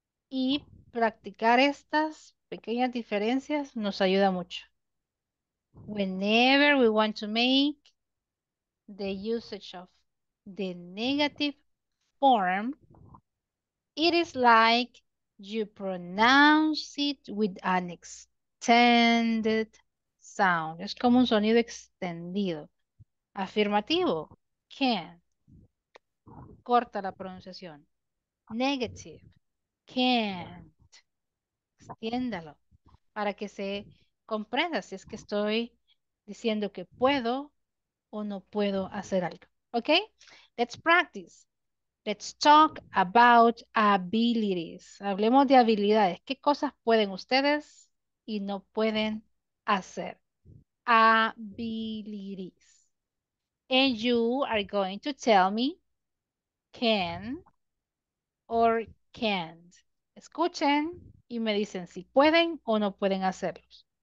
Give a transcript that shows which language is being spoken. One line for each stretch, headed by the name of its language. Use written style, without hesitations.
Spanish: Y practicar estas pequeñas diferencias nos ayuda mucho.
English: Whenever we want to make the usage of the negative form, it is like you pronounce it with an extended sound.
Spanish: Es como un sonido extendido. Afirmativo, can. Corta la pronunciación.
English: Negative,
Spanish: can't. Extiéndalo. Para que se comprenda si es que estoy diciendo que puedo o no puedo hacer algo.
English: ¿Ok? Let's practice. Let's talk about abilities.
Spanish: Hablemos de habilidades. ¿Qué cosas pueden ustedes y no pueden hacer?
English: Abilities. And you are going to tell me can or can't.
Spanish: Escuchen. Y me dicen si pueden o no pueden hacerlos.